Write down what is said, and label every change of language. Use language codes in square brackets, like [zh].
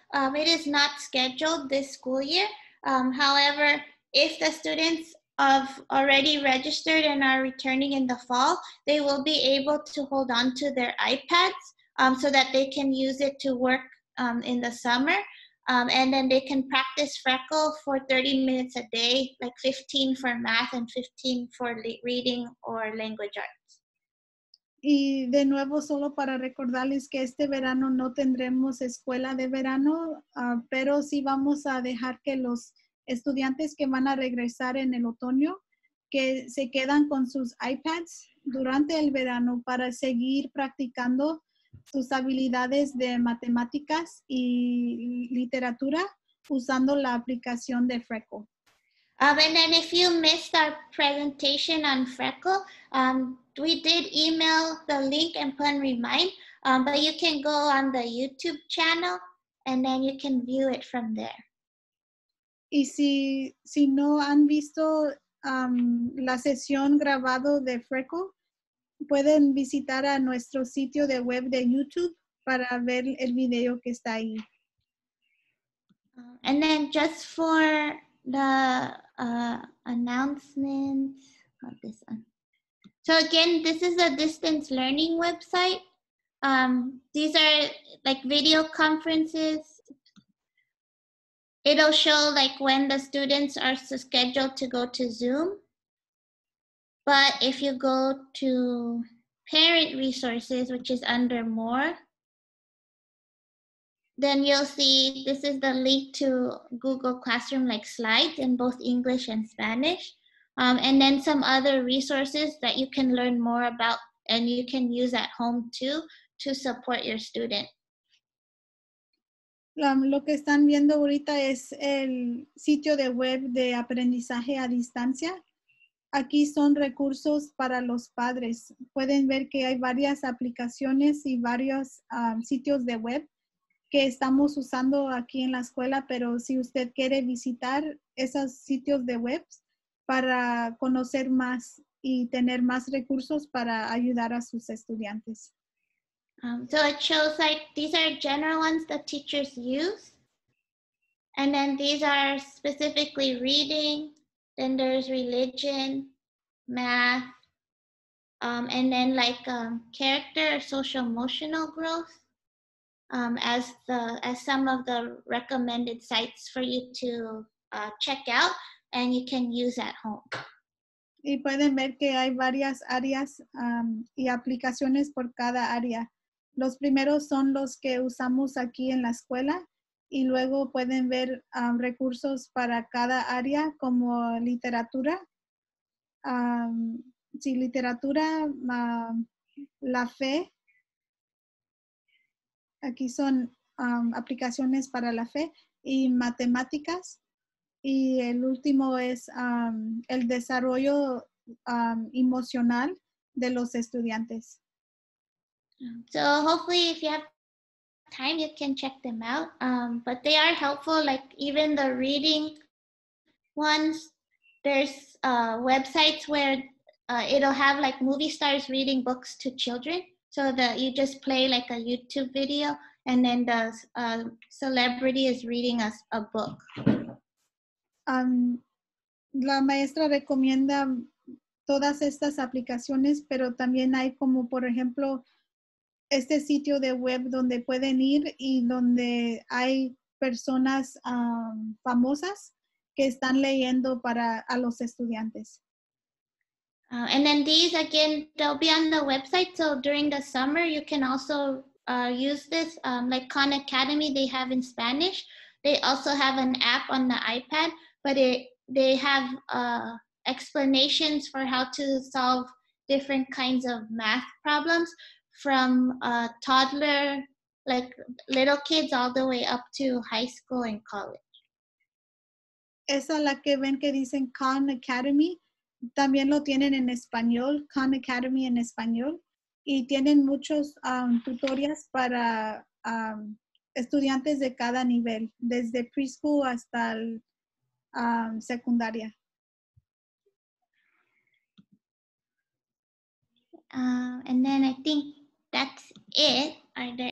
[en] It is not scheduled this school year. However, if the students have already registered and are returning in the fall, they will be able to hold on to their iPads so that they can use it to work in the summer. And then they can practice Freckle for 30 minutes a day, like 15 for math and 15 for reading or language arts. [es] Y de nuevo, solo para recordarles que este verano no tendremos escuela de verano, pero sí vamos a dejar que los estudiantes que van a regresar en el otoño, que se quedan con sus iPads durante el verano para seguir practicando sus habilidades de matemáticas y literatura usando la aplicación de Freckle. [en] And then if you missed our presentation on Freckle, we did email the link and put in remind, but you can go on the YouTube channel and then you can view it from there. [es] Y si no han visto la sesión grabado de Freckle, pueden visitar a nuestro sitio de web de YouTube para ver el video que está ahí. [en] And then just for the announcement of this one. So again, this is a distance learning website. These are like video conferences. It'll show like when the students are scheduled to go to Zoom. But if you go to parent resources, which is under more, then you'll see this is the link to Google Classroom like slides in both English and Spanish. And then some other resources that you can learn more about and you can use at home too to support your student. [es] Lo que están viendo ahorita es el sitio de web de aprendizaje a distancia. Aquí son recursos para los padres. Pueden ver que hay varias aplicaciones y varios sitios de web que estamos usando aquí en la escuela, pero si usted quiere visitar esos sitios de web para conocer más y tener más recursos para ayudar a sus estudiantes. [en] So it shows like these are general ones that teachers use. And then these are specifically reading. Then there's religion, math, and then like character, social emotional growth, as some of the recommended sites for you to check out and you can use at home. [es] Y pueden ver que hay varias áreas y aplicaciones por cada área. Los primeros son los que usamos aquí en la escuela y luego pueden ver recursos para cada área como literatura. Sí, literatura, la fe. Aquí son aplicaciones para la fe y matemáticas. Y el último es el desarrollo emocional de los estudiantes. [en] So hopefully if you have time, you can check them out. But they are helpful, like even the reading ones. There's websites where it'll have like movie stars reading books to children. So that you just play like a YouTube video and then the celebrity is reading us a book. [es] La maestra recomienda todas estas aplicaciones, pero también hay como, por ejemplo, este sitio de web donde pueden ir y donde hay personas famosas que están leyendo para a los estudiantes. [en] And then these, again, they'll be on the website. So during the summer, you can also use this. Like Khan Academy, they have in Spanish. They also have an app on the iPad. But they have explanations for how to solve different kinds of math problems from toddler, like little kids, all the way up to high school and college. [es] Esa la que ven que dicen Khan Academy, también lo tienen en español, Khan Academy en español, y tienen muchos tutorials para estudiantes de cada nivel, desde preschool hasta el secundaria. [en] And then I think that's it. Are there